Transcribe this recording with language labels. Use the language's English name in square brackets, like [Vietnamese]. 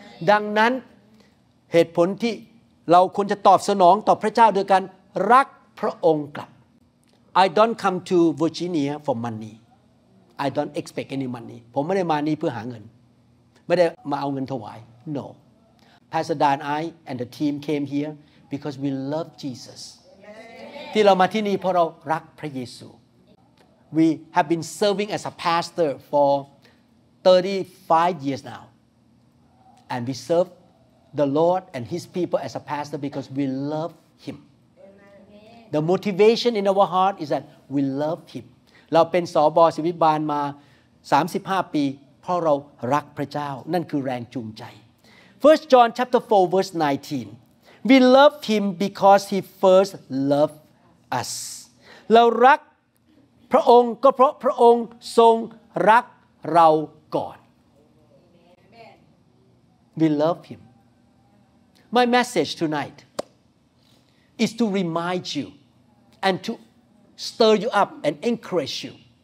[Thai] ดังนั้นเหตุผลที่เราควรจะตอบสนองต่อพระเจ้าโดยการรักพระองค์กลับ [English] I don't come to Virginia for money. I don't expect any money. [Thai] ผมไม่ได้มานี่เพื่อหาเงินไม่ได้มาเอาเงินถวาย [English] No. Pastor Dan and I and the team came here. Because we love Jesus. [Thai] ที่เรามาที่นี่เพราะเรารักพระเยซู [English] We have been serving as a pastor for 35 years now. And we serve the Lord and His people as a pastor because we love Him. Amen. The motivation in our heart is that we love Him. [Thai] เราเป็นสบศิวิบาลมา35ปีเพราะเรารักพระเจ้านั่นคือแรงจูงใจ 1 John chapter 4 verse 19. [English] We love him because he first loved us. [Thai] เรารักพระองค์ก็เพราะพระองค์ทรงรักเราก่อน [English] We love him. My message tonight is to remind you and to stir you up and encourage you.